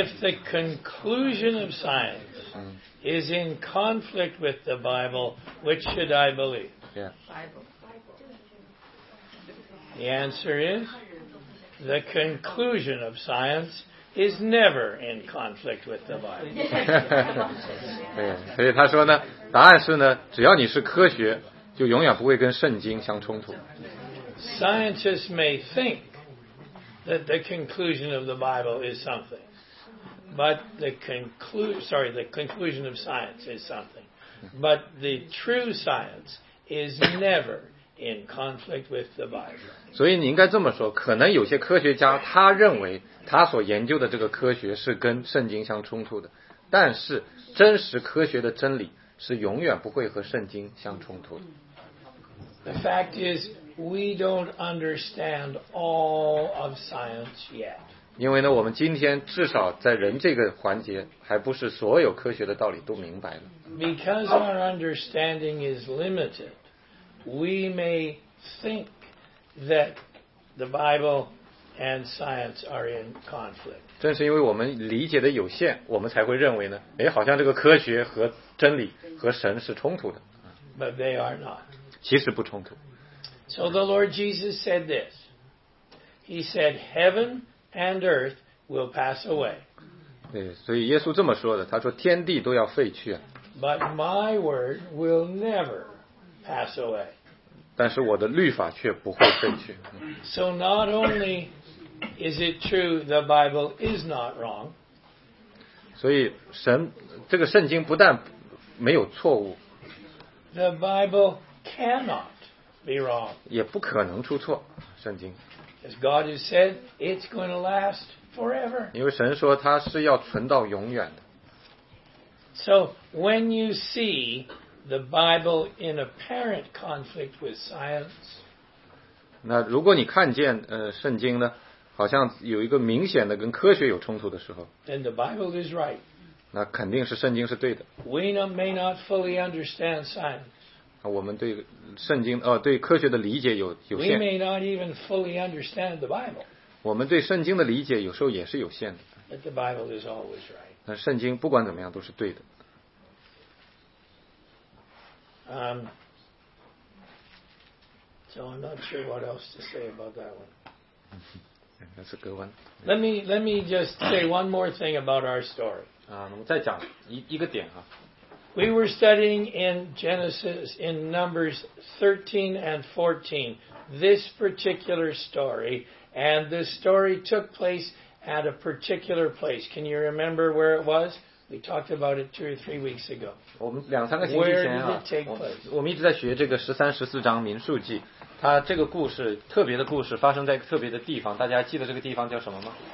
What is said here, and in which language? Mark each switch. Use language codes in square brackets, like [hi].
[en] If the conclusion of science is in conflict with the Bible, which should I believe? Yeah. The answer is, the conclusion of science is never in conflict with the Bible. [zh] 对，所以他说呢，答案是呢，只要你是科学，就永远不会跟圣经相冲突。 [en] Scientists may think that the conclusion of the Bible is something. But the conclusion of science is something. But the true science is never in conflict with the Bible. [zh] 所以你应该这么说，可能有些科学家他认为他所研究的这个科学是跟圣经相冲突的，但是真实科学的真理是永远不会和圣经相冲突的。 [en] The fact is, we don't understand all of science yet. [zh] 因为呢，我们今天至少在人这个环节，还不是所有科学的道理都明白了。 [en] Because our understanding is limited, we may think that the Bible and science are in conflict. [zh] 正是因为我们理解的有限，我们才会认为呢，哎，好像这个科学和真理和神是冲突的。 [en] But they are not. [zh] 其实不冲突。 [en] So the Lord Jesus said this. He said, "Heaven and earth will pass away." [zh] 对，所以耶稣这么说的，他说天地都要废去啊。 [en] But my word will never pass away. [zh] 但是我的律法却不会废去。 [en] So not only is it true the Bible is not wrong. [zh] 所以神这个圣经不但没有错误。 [en] The Bible. Cannot be wrong. [zh] 也不可能出错，圣经。 [en] As God has said, it's going to last forever. [zh] 因为神说它是要存到永远的。 [en] So when you see the Bible in apparent conflict with science, [zh] 那如果你看见圣经呢，好像有一个明显的跟科学有冲突的时候 [en] ，then the Bible is right. [zh] 那肯定是圣经是对的。 [en] We may not fully understand science. [zh] 我们对圣经对科学的理解有限。 [en] We may not even fully understand the Bible. [zh] 我们对圣经的理解有时候也是有限的。 [en] But the Bible is always right. [zh] 那圣经不管怎么样都是对的。 [en] So I'm not sure what else to say about that one. That's a good one. Let me just say one more thing about our story. [zh] 那么再讲一个点啊。 [en] We were studying in Genesis, in Numbers 13 and 14, this particular story, and this story took place at a particular place. Can you remember where it was? We talked about it two or three weeks ago. [zh] 我们两三个星期前啊 [en] Where did it take place? [zh] 我们一直在学这个13、14章民数记，它这个故事，特别的故事，发生在一个特别的地方，大家记得这个地方叫什么吗？